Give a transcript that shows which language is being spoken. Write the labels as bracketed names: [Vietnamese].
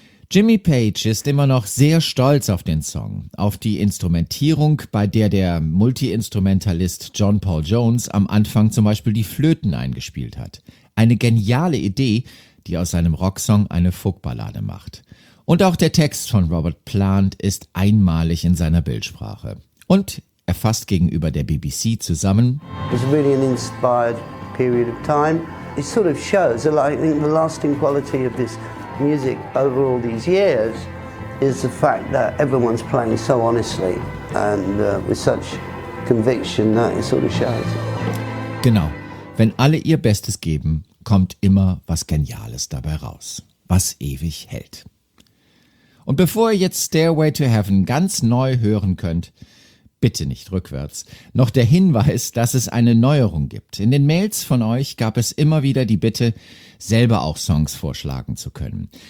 [German] Jimmy Page ist immer noch sehr stolz auf den Song, auf die Instrumentierung, bei der der Multiinstrumentalist John Paul Jones am Anfang zum Beispiel die Flöten eingespielt hat. Eine geniale Idee, die aus seinem Rocksong eine Folkballade macht. Und auch der Text von Robert Plant ist einmalig in seiner Bildsprache. Und er fasst gegenüber der BBC zusammen: [English] It's really an inspired period of time. It sort of shows the lasting quality of this music over all these years is the fact that everyone's playing so honestly and with such conviction that it sort of shows. [German] Genau, wenn alle ihr Bestes geben, kommt immer was Geniales dabei raus, was ewig hält. Und bevor ihr jetzt Stairway to Heaven ganz neu hören könnt, bitte nicht rückwärts. Noch der Hinweis, dass es eine Neuerung gibt. In den Mails von euch gab es immer wieder die Bitte, selber auch Songs vorschlagen zu können.